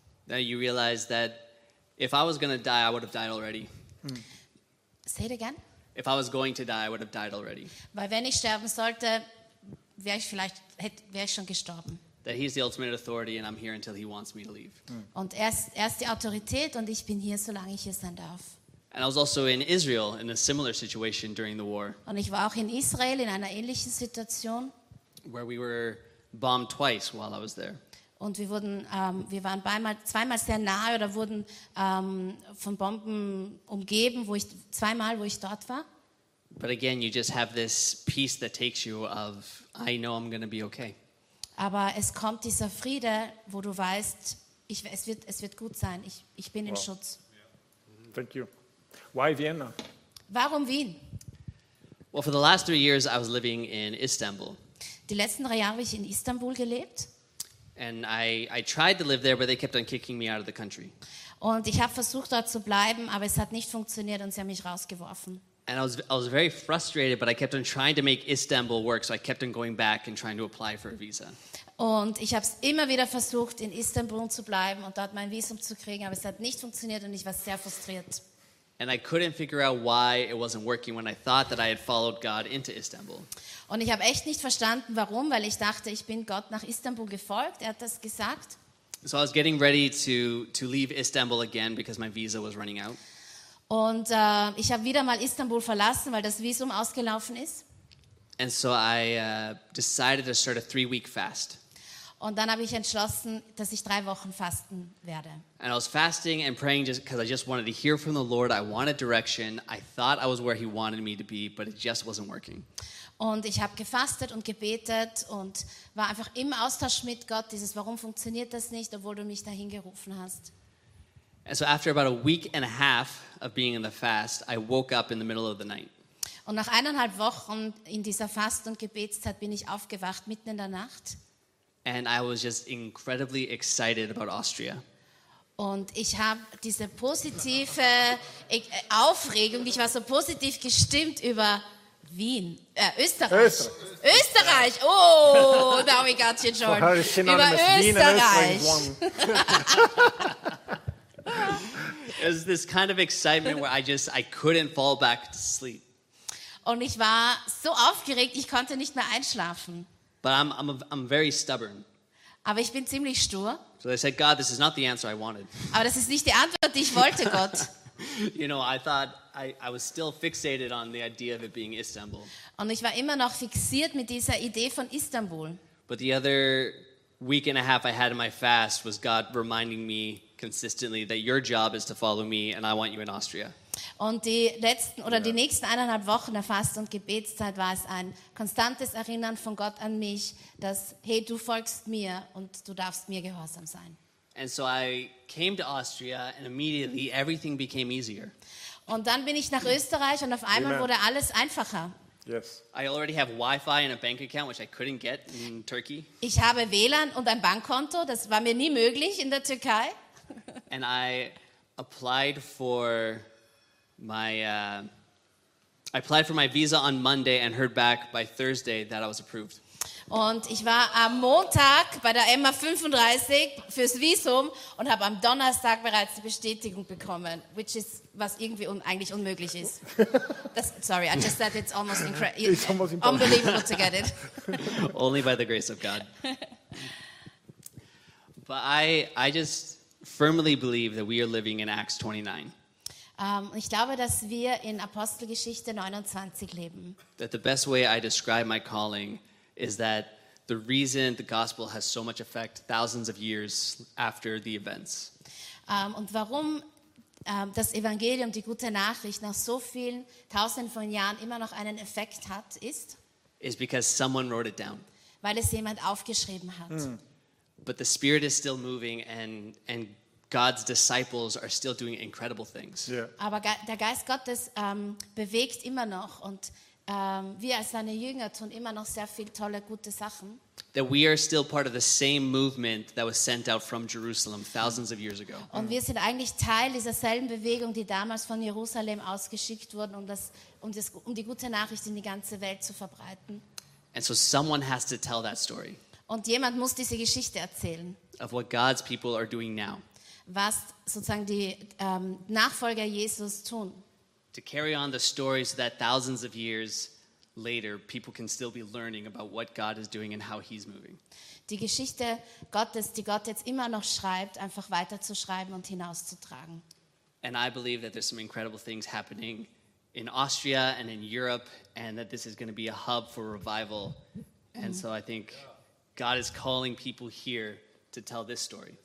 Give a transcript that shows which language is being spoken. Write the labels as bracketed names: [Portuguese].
[English] Now you realize that if I was going to die, I would have died already. Say it again. If I was going to die, I would have died already. [German] Weil wenn ich sterben sollte, wäre ich schon gestorben. [English] That he's the ultimate authority and I'm here until he wants me to leave. [German] Und er ist die Autorität und ich bin hier, solange ich hier sein darf. [English] And I was also in Israel in a similar situation during the war. [German] Und ich war auch in Israel in einer ähnlichen Situation. [English] Where we were bombed twice while I was there. [German] Und wir waren zweimal sehr nahe oder wurden von Bomben umgeben, wo ich dort war. [English] But again, you just have this peace that takes you of, I know I'm going to be okay. [German] Aber es kommt dieser Friede, wo du weißt, es wird gut sein. Ich bin in Schutz. [English] Yeah. Thank you. Why Vienna? [German] Warum Wien? [English] Well, for the last 3 years, I was living in Istanbul. [German] Die letzten 3 Jahre habe ich in Istanbul gelebt. [English] And I tried to live there, but they kept on kicking me out of the country. [German] Und ich habe versucht, dort zu bleiben, aber es hat nicht funktioniert und sie haben mich rausgeworfen. [English] And I was very frustrated, but I kept on trying to make Istanbul work, so I kept on going back and trying to apply for a visa. [German] Und ich habe es immer wieder versucht, in Istanbul zu bleiben und dort mein Visum zu kriegen, aber es hat nicht funktioniert und ich war sehr frustriert. [English] And I couldn't figure out why it wasn't working when I thought that I had followed God into Istanbul. [German] Und ich habe echt nicht verstanden, warum, weil ich dachte, ich bin Gott nach Istanbul gefolgt. Er hat das gesagt. [English] So I was getting ready to leave Istanbul again because my visa was running out. [German] Und ich habe wieder mal Istanbul verlassen, weil das Visum ausgelaufen ist. [English] And so I decided to start a 3-week fast. [German] Und dann habe ich entschlossen, dass ich 3 Wochen fasten werde. [English] And I was fasting and praying just because I just wanted to hear from the Lord. I wanted direction. I thought I was where he wanted me to be, but it just wasn't working. [German] Und ich habe gefastet und gebetet und war einfach im Austausch mit Gott, dieses, warum funktioniert das nicht, obwohl du mich dahin gerufen hast. [English] And so after about a week and a half of being in the fast, I woke up in the middle of the night. [German] Und nach 1,5 Wochen in dieser Fast- und Gebetszeit bin ich aufgewacht, mitten in der Nacht. [English] And I was just incredibly excited about Austria. [German] Und ich habe diese positive Aufregung, ich war so positiv gestimmt über Wien, Österreich. [English] Österreich. Österreich, oh, now we got you, John. [German] Über Österreich. Wien and Österreich. [English] It was this kind of excitement where I couldn't fall back to sleep. [German] Und ich war so aufgeregt, ich konnte nicht mehr einschlafen. [English] But I'm very stubborn. [German] Aber ich bin ziemlich stur. [English] So I said, God, this is not the answer I wanted. [German] Aber das ist nicht die Antwort, die ich wollte, Gott. [English] You know, I thought I was still fixated on the idea of it being Istanbul. [German] Und ich war immer noch fixiert mit dieser Idee von Istanbul. [English] But the other week and a half I had in my fast was God reminding me consistently that your job is to follow me and I want you in Austria. [German] Und die letzten oder die nächsten 1,5 Wochen der Fast- und Gebetszeit war es ein konstantes Erinnern von Gott an mich, dass, hey, du folgst mir und du darfst mir gehorsam sein. [English] And so I came to Austria and immediately everything became easier. [German] Und dann bin ich nach Österreich und auf einmal wurde alles einfacher. [English] Yes. I already have Wi-Fi and a bank account, which I couldn't get in Turkey. [German] Ich habe WLAN und ein Bankkonto, das war mir nie möglich in der Türkei. [English] And I applied for my I applied for my visa on Monday and heard back by Thursday that I was approved. [German] Und ich war am Montag bei der Emma 35 fürs Visum und habe am Donnerstag bereits die Bestätigung bekommen, [English] which is [German] was irgendwie eigentlich unmöglich ist. Das, [English] sorry, I just said it's almost unbelievable to get it. Only by the grace of God. But I just firmly believe that we are living in Acts 29. [German] Ich glaube, dass wir in Apostelgeschichte 29 leben. [English] That the best way I describe my calling is that the reason the gospel has so much effect thousands of years after the events. [German] Und warum das Evangelium, die gute Nachricht, nach so vielen tausenden von Jahren immer noch einen Effekt hat, ist. [English] Is because someone wrote it down. [German] Weil es jemand aufgeschrieben hat. [English] But the Spirit is still moving and God's disciples are still doing incredible things. Yeah. [German] Aber der Geist Gottes bewegt immer noch und wir als seine Jünger tun immer noch sehr viel tolle, gute Sachen. [English] That we are still part of the same movement that was sent out from Jerusalem thousands of years ago. [German] Und wir sind eigentlich Teil dieser selben Bewegung, die damals von Jerusalem ausgeschickt wurden, um die gute Nachricht in die ganze Welt zu verbreiten. [English] And so someone has to tell that story. [German] Und jemand muss diese Geschichte erzählen. [English] Of what God's people are doing now. [German] Was sozusagen die Nachfolger Jesus tun. [English] To carry on the story so that thousands of years later people can still be learning about what God is doing and how he's moving. [German] Die Geschichte Gottes, die Gott jetzt immer noch schreibt, einfach weiterzuschreiben und hinauszutragen. [English] And I believe that there's some incredible things happening in Austria and in Europe and that this is going to be a hub for revival. And so I think God is calling people here to tell this story.